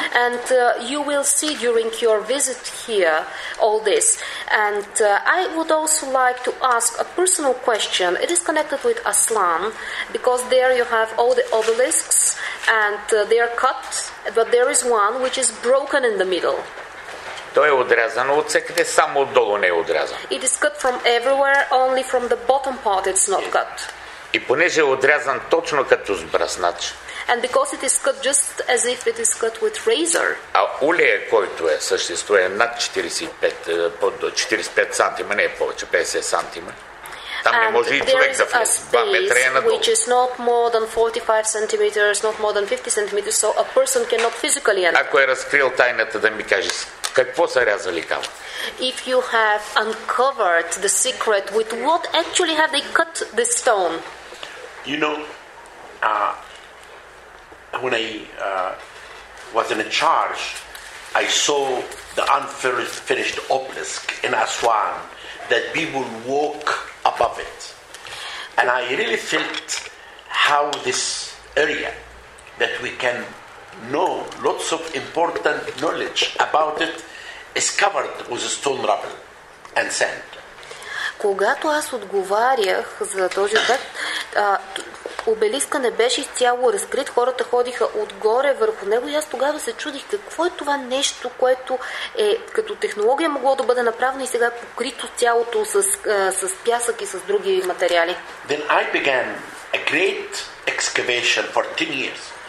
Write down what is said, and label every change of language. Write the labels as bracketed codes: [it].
[en] And you will see during your visit here all this. And I would also like to ask a personal question. It is connected with Aslan, because there you have all the obelisks and they are cut, but there is one which is broken in the middle. [bg] Той е отрязан от всекъде, само отдолу не е отрязан. [en] It is cut from everywhere, only from the bottom part it's not cut. [bg] И понеже е отрязан точно като с браснач. [en] And because it is cut just as if it is cut with razor. [bg] А улея, който е, съществува над 45 сантима, не е повече, 50 сантима. Там не може и човек да влезе. [en] There is a space which is not more than 45 centimeters, not more than 50 centimeters, so a person cannot physically enter. [bg] Ако е разкрил тайната, да ми кажеш, какво са рязали камък? [en] If you have uncovered the secret, with what actually have they cut the stone? You know, when I was in a charge, I saw the unfinished obelisk in Aswan that people walk above it. And I really felt how this area that we can know lots of important knowledge about it is covered with stone rubble and sand. [bg] Когато аз отговарях за този обект, обелиска не беше изцяло разкрит, хората ходиха отгоре върху него и аз тогава се чудих какво е това нещо, което е като технология могло да бъде направено и сега покрито цялото с пясък и с други материали. [en] Then I began a great excavation for 10 years.